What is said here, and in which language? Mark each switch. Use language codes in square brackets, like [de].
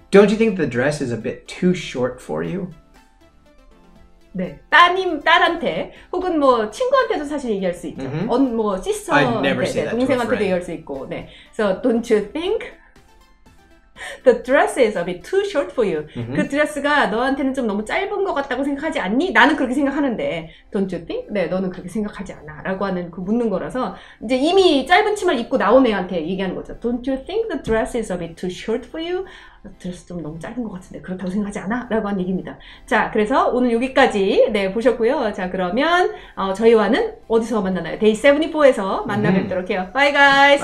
[en] Don't you think the dress is a bit too short for you? [ko] 네, 따님, 딸한테, 혹은 뭐 친구한테도 사실 얘기할 수 있죠. Mm-hmm. 뭐 시스터한테, 네, 동생한테도 얘기할 수 있고, 네. [en] So, don't you think? The dress is a bit too short for you. Mm-hmm. [ko] 그 드레스가 너한테는 좀 너무 짧은 것 같다고 생각하지 않니? 나는 그렇게 생각하는데, [en] don't you think? [ko] 네, 너는 그렇게 생각하지 않아? 라고 하는 그 묻는 거라서 이제 이미 짧은 치마를 입고 나온 애한테 얘기하는 거죠. [en] Don't you think the dress is a bit too short for you? [ko] 드레스 좀 너무 짧은 것 같은데 그렇다고 생각하지 않아? 라고 하는 얘기입니다. 자, 그래서 오늘 여기까지 네 보셨고요. 자, 그러면 저희와는 어디서 만나나요? Day 74에서 만나뵙도록 해요. [en] Bye guys.